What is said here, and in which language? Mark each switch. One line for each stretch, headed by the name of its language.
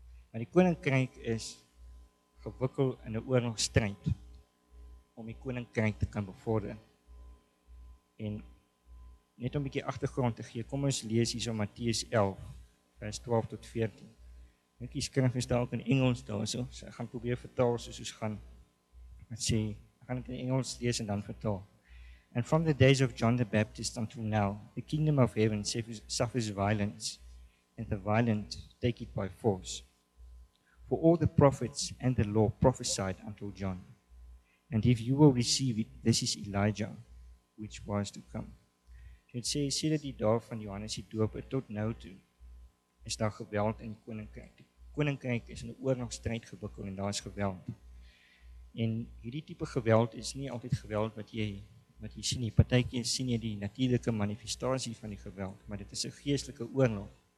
Afrikaans: Maar die koninkryk is gewikkeld in 'n oorlogstryd om die koninkryk te kan bevorder. En net om 'n bietjie agtergrond te gee, kom ons lees hierso Matteus 11 vers 12 tot 14. Ek lees skrif is dalk in Engels daarso, so ek gaan probeer vertaal soos ons gaan. Wat sê, ek gaan dit in Engels lees en dan vertaal.
English: And from the days of John the Baptist until now, the kingdom of heaven suffers violence, and the violent take it by force. For all the prophets and the law prophesied until John. And if you will receive it, this is Elijah, which was to come.
Afrikaans: Dit sê, sê dat die dag van Johannes die Doper tot nou toe is daar geweld in die koninkryk. Die koninkryk is in 'n oorlogstryd gewikkeld en daar is geweld. En hierdie tipe geweld is nie altyd geweld wat jy sien nie. Partykeer sien jy die natuurlike manifestasie van die geweld, maar dit is 'n geestelike oorlog.